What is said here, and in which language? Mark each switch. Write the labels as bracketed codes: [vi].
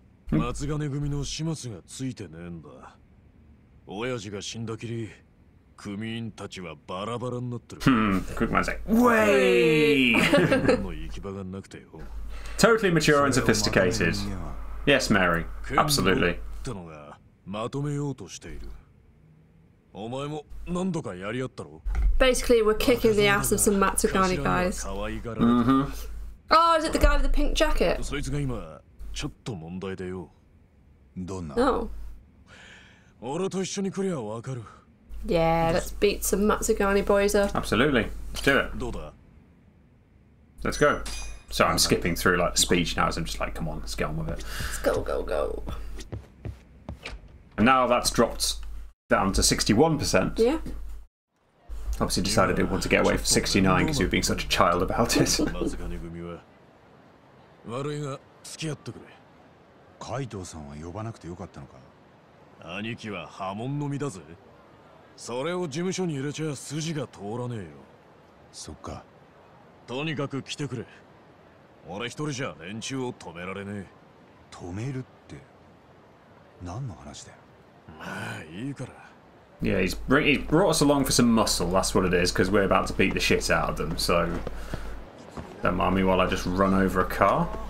[ja] 松金組の始末がついてねえんだ。親父が死んだきり、組員たちはバラバラになってる。 [en] Quick man's like, way. [ja] 人の行き場がなくてよ。 [en] Totally mature and sophisticated. Yes, Mary. Absolutely. [ja] ってのがまとめようとしている。お前も何度かやり合ったろ。 [en] Basically, we're kicking the ass of some Matsugane guys. Oh, is it the guy with the pink jacket? [ja] そいつが今ちょっと問題だよ。どんな？ [en] Oh. [ja] 俺と一緒に来りゃわかる。 [en] Yeah, let's beat some Matsugane boys up. Absolutely. Do it. [ja] どうだ？ [en] Let's go. So I'm skipping through like the speech now as I'm just like, come on, let's get on with it. Let's go, go, go. And now that's dropped down to 61%. Yeah. obviously decided he wanted to get away for 69 because he was being such a child about it. [ja] マズガネ組は悪いが付き合ってくれ。カイトさんは呼ばなくてよかったのか。兄貴は破門の身だぜ。それを事務所に入れちゃ筋が通らねえよ。そっか。とにかく来てくれ。俺一人じゃ連中を止められねえ。止めるって何の話だよ。まあいいから。 [en] Yeah, he's brought us along for some muscle, that's what it is, because we're about to beat the shit out of them, so... Don't mind me while I just run over a car.